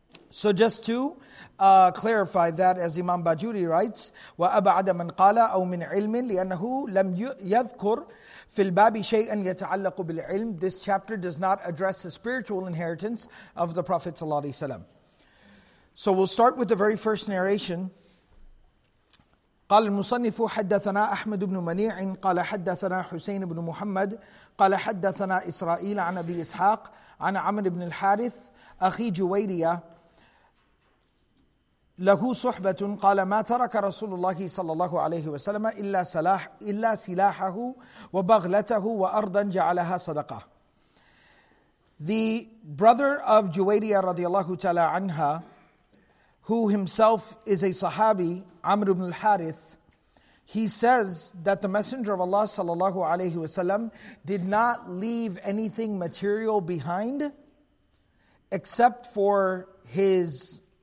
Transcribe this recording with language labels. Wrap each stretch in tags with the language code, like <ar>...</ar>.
<en>So just to clarify that, as Imam Bajuri writes,</en> <ar>وَأَبْعَدَ مَنْ قَالَ أَوْ مِنْ عِلْمٍ لِأَنَّهُ لَمْ يَذْكُرْ فِي الْبَابِ شَيْئًا يَتَعَلَّقُ بِالْعِلْمِ.</ar> <en>This chapter does not address the spiritual inheritance of the Prophet ﷺ. So we'll start with the very first narration.</en> <ar>قَالَ الْمُصَنِّفُ حَدَّثَنَا أَحْمَدُ بْنُ مَنِيعٍ قَالَ حَدَّثَنَا حُسَيْنُ بْنُ مُحَمَّدٍ قَالَ حَدَّثَنَا إِسْرَائِيلَ عَنْ أَبِي إِسْحَاقَ عَنْ عَمْرِ بْنِ الْحَارِثِ أَخِي جُوَيْرِيَة له صحبة قال ما ترك رسول الله صلى الله عليه وسلم إلا سلاحه وبغلته وأرضا جعلها صدقة.</ar> <en>The brother of Juwayriyah radiallahu ta'ala anha, who himself is a Sahabi, Amr ibn al-Harith, he says that the Messenger of Allah sallallahu alayhi wasallam did not leave anything material behind except for his</en>